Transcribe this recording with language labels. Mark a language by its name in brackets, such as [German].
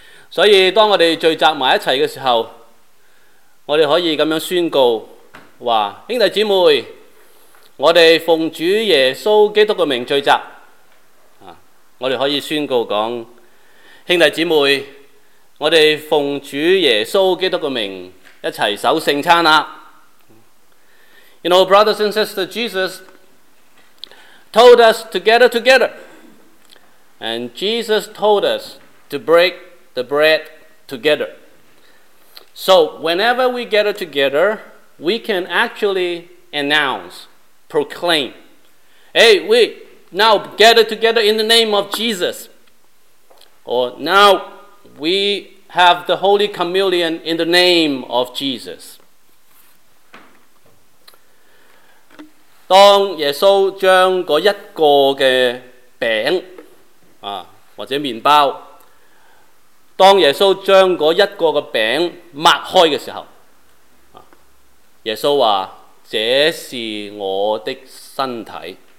[Chinese] 所以当我们聚集在一起的时候，我们可以这样宣告说，兄弟姊妹，我们奉主耶稣基督的名聚集。我们可以宣告说，兄弟姊妹，我们奉主耶稣基督的名一起守圣餐啊。 [English] You know, brothers and sisters, Jesus told us to gather together. And Jesus told us to break the bread together. So whenever we gather together, we can actually announce, proclaim, hey, we... Now gather together in the name of Jesus. Or now we have the Holy Communion in the name of Jesus. [Chinese] 当耶稣将那一个的饼、或者面包，当耶稣将那一个的饼擘开的时候，耶稣说，这是我的身体。